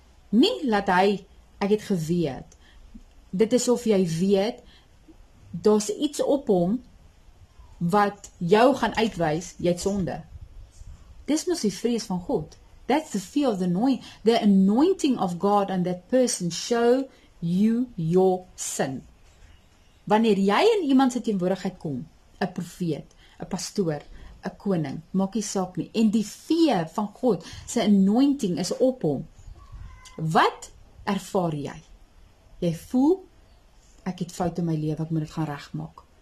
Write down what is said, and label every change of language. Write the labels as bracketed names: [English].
[Afrikaans] Nie laat hy ek het geweet. Dit is of jy weet daar's iets op hom wat jou gaan uitwys, jy't sonde. Dis mos die vrees van God. [English] That's the fear of the anointing of God on that person show you your sin. [Afrikaans] Wanneer jy in iemand se teenwoordigheid kom, 'n profeet, 'n pastoor, 'n koning, maak nie saak nie, en die fee van God se anointing is op hom. Wat ervaar jy? Jy voel ek het fout in my lewe, ek moet dit gaan regmaak.